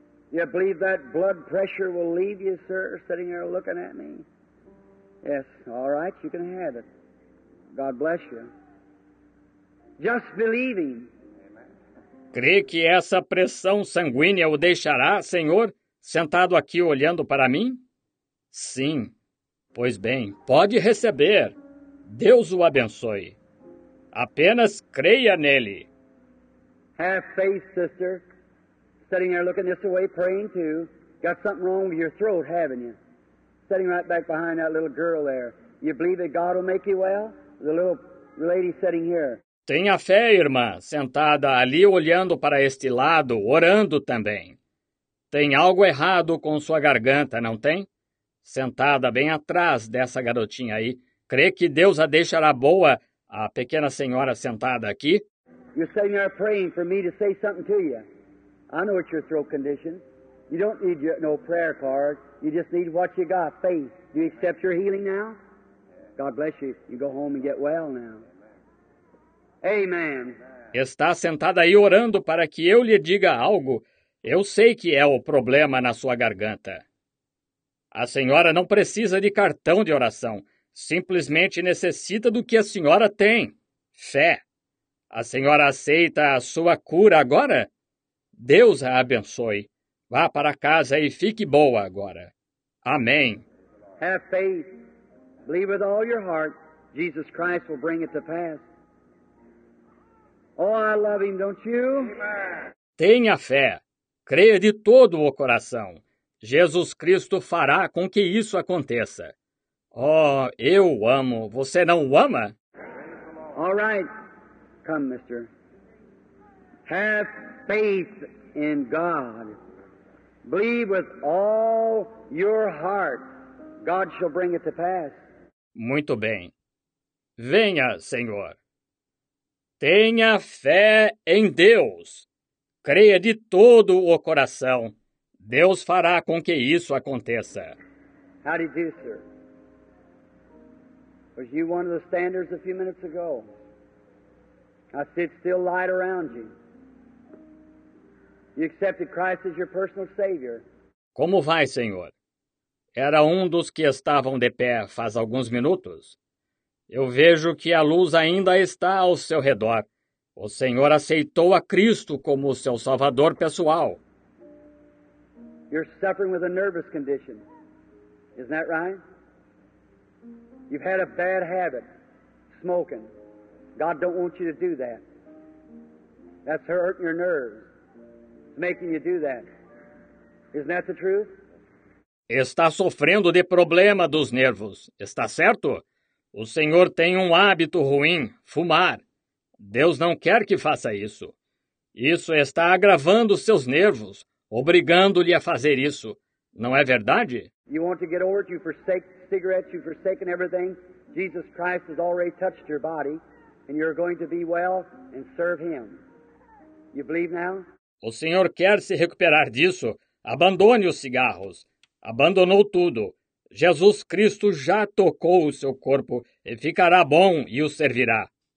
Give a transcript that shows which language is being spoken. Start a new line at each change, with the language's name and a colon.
English: You believe that blood pressure will leave you, sir, sitting there looking at me? Yes, all right, you can have it. God bless you. Just believing.
Portuguese: Crê que essa pressão sanguínea o deixará, senhor, sentado aqui olhando para mim? Sim. Pois bem, pode receber. Deus o abençoe. Apenas creia nele.
English: Have faith, sister. Sitting there looking this way, praying too. Got something wrong with your throat, haven't you? Sitting right back behind that little girl there. You believe that God will make you well? The little lady sitting here.
Portuguese: Tenha fé, irmã, sentada ali olhando para este lado, orando também. Tem algo errado com sua garganta, não tem? Sentada bem atrás dessa garotinha aí. Crê que Deus a deixará boa, a pequena senhora sentada aqui?
English: You're sitting there praying for me to say something to you. I know it's your throat condition. You don't need no prayer card. You just need what you got, faith. Do you accept your healing now? God bless you. You go home and get well now. Amen.
Portuguese: Está sentada aí orando para que eu lhe diga algo. Eu sei que é o problema na sua garganta. A senhora não precisa de cartão de oração. Simplesmente necessita do que a senhora tem. Fé. A senhora aceita a sua cura agora? Deus a abençoe. Vá para casa e fique boa agora. Amém.
English: Have faith. Believe with all your heart. Jesus Christ will bring it to pass. Oh, I love him, don't you?
Portuguese: Tenha fé. Creia de todo o coração. Jesus Cristo fará com que isso aconteça. Oh, eu o amo. Você não o ama?
English: All right. Come, mister. Have faith in God. Believe with all your heart. God shall bring it to pass.
Portuguese: Muito bem. Venha, Senhor. Tenha fé em Deus. Creia de todo o coração. Deus fará com que isso aconteça.
English: How did you do, sir? Was you one of the standers a few minutes ago? I see it's still light around you. You accepted Christ as your personal savior.
Portuguese: Como vai, senhor? Era um dos que estavam de pé faz alguns minutos. Eu vejo que a luz ainda está ao seu redor. O senhor aceitou a Cristo como seu salvador pessoal.
English: You're suffering with a nervous condition. Isn't that right? You've had a bad habit, smoking. God don't want you to do that. That's hurting your nerves. Making you do that. Isn't that the truth?
Portuguese: Está sofrendo de problema dos nervos, está certo? O senhor tem um hábito ruim, fumar. Deus não quer que faça isso. Isso está agravando seus nervos, obrigando-lhe a fazer isso. Não é verdade?
English: You want to get over it, you forsake cigarettes, you've forsaken everything. Jesus Christ has already touched your body, and you're going to be well and serve him. You believe now?
Portuguese: O senhor quer se recuperar disso. Abandone os cigarros. Abandonou tudo. Jesus Cristo já tocou o seu corpo e ficará bom e o servirá.